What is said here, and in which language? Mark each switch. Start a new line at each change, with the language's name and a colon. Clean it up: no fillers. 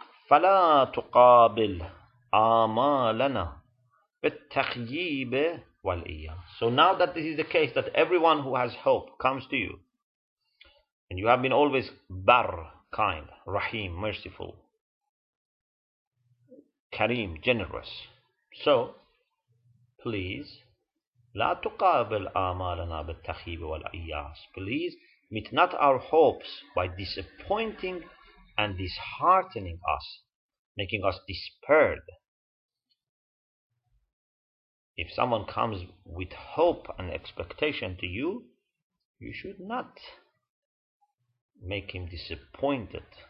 Arabic: فَلَا تُقَابِلْ آمَالَنَا بِالتَّخْيِيبِ وَالْإِيَّامِ.
English: So now that this is the case, that everyone who has hope comes to you, and you have been always bar, kind, rahim, merciful, Kareem, generous. So, please,
Arabic: لا تقابل آمالنا بالتخيب والعياس.
English: Please, meet not our hopes by disappointing and disheartening us, making us despaired. If someone comes with hope and expectation to you, you should not make him disappointed.